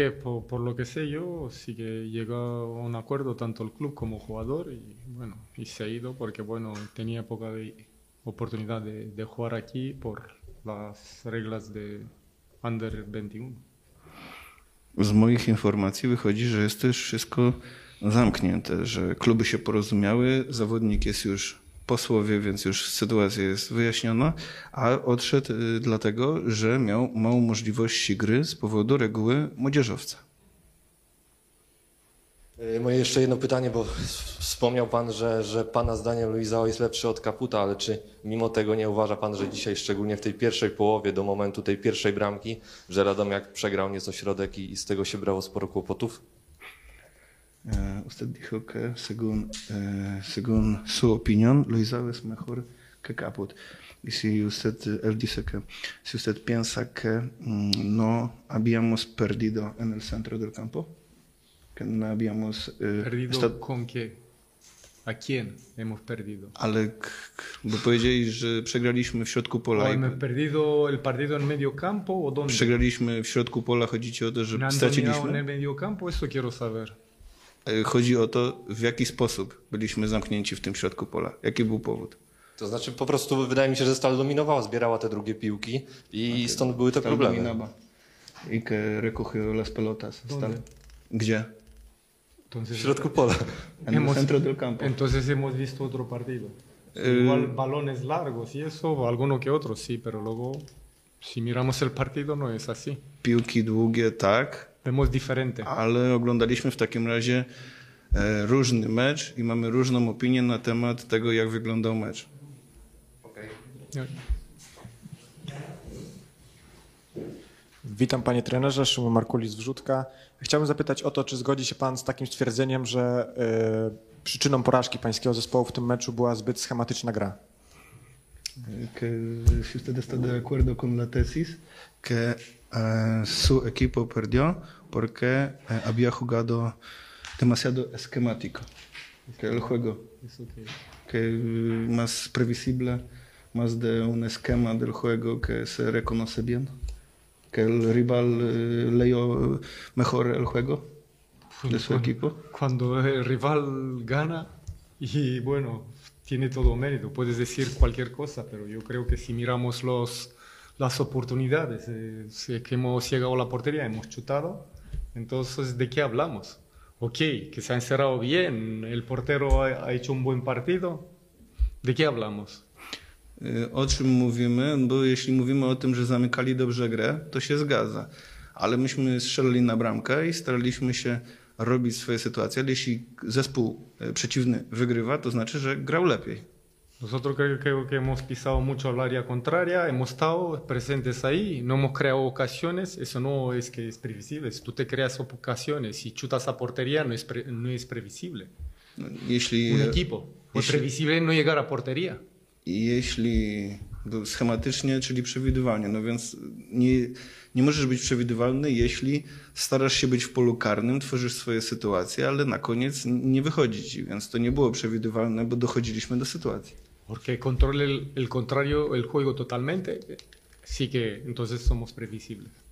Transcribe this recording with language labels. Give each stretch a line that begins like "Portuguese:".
Spanish: Por lo que sé yo, sí que llegó a un acuerdo tanto el club como el jugador y bueno, y se ha ido porque bueno, tenía poca oportunidad de jugar aquí por las reglas de Under 21.
Polish: Z moich informacji wychodzi, że jest też wszystko zamknięte, że kluby się porozumiały, zawodnik jest już po słowie, więc już sytuacja jest wyjaśniona, a odszedł dlatego, że miał małą możliwość gry z powodu reguły młodzieżowca. Moje jeszcze jedno pytanie, bo wspomniał pan, że pana zdaniem Luizao jest lepszy od Caputa, ale czy mimo tego nie uważa pan, że dzisiaj szczególnie w tej pierwszej połowie do momentu tej pierwszej bramki, że Radomiak przegrał nieco środek i z tego się brało sporo kłopotów?
Spanish: Usted dijo que según su opinión, Luisao es mejor que Caput. Y si usted, él dice que si usted piensa que no habíamos perdido en el centro del campo, que no habíamos perdido estado... con qué, a quién hemos perdido.
Polish: Ale, bo powiedzieli, że przegraliśmy w środku pola.
Spanish: Ay, hemos perdido el partido en medio campo o dónde.
Polish: Przegraliśmy w środku pola. Chodzi ci o to, że straciliśmy.
Spanish: En el medio campo, eso quiero saber.
Polish: Chodzi o to, w jaki sposób byliśmy zamknięci w tym środku pola. Jaki był powód? To znaczy po prostu wydaje mi się, że Stal dominowała, zbierała te drugie piłki i okay. Stąd były te Stal problemy.
Spanish: Dominaba. I que recogió las pelotas.
Polish: Stal. Gdzie?
Spanish: Entonces,
Polish: w środku pola.
Spanish: En centro del campo. Entonces hemos visto otro partido. Igual balones largos y eso, alguno que otro, sí, pero luego si miramos el partido no es así.
Polish: Piłki długie, tak. Ale oglądaliśmy w takim razie różny mecz i mamy różną opinię na temat tego, jak wyglądał mecz. Witam panie trenerze, Szymon Markulis, Wrzutka. Chciałbym zapytać o to, czy zgodzi się pan z takim stwierdzeniem, że przyczyną porażki pańskiego zespołu w tym meczu była zbyt schematyczna gra?
Spanish: Que si usted está de acuerdo con la tesis, que su equipo perdió porque había jugado demasiado esquemático, que el juego que más previsible, más de un esquema del juego que se reconoce bien, que el rival leyó mejor el juego de su equipo. Cuando el rival gana y bueno, tiene todo mérito, puedes decir cualquier cosa, pero yo creo que si miramos las oportunidades, que hemos llegado a la portería, hemos chutado, entonces, ¿de qué hablamos? Ok, que se ha encerrado bien, el portero ha hecho un buen partido, ¿de qué hablamos?
Polish: O czym mówimy? Bo jeśli mówimy o tym, że zamykali dobrze grę, to się zgadza. Ale myśmy strzelali na bramkę i staraliśmy się robić swoje sytuacje, ale jeśli zespół przeciwny wygrywa, to znaczy, że grał lepiej.
Spanish: Nosotros creo que hemos pisado mucho al área contraria, hemos estado presentes ahí, no hemos creado ocasiones, eso no es que es previsible, si tú te creas ocasiones y chutas a portería no es previsible.
Polish: Jeśli,
Spanish: un equipo,
Polish: jeśli,
Spanish: es previsible no llegar a portería.
Polish: Y jeśli schematycznie, czyli przewidywalnie, no więc nie możesz być przewidywalny, jeśli starasz się być w polu karnym, tworzysz swoje sytuacje, ale na koniec nie wychodzi ci, więc to nie było przewidywalne, bo dochodziliśmy do sytuacji.
Spanish: Porque controla el contrario el juego totalmente, sí que entonces somos previsibles.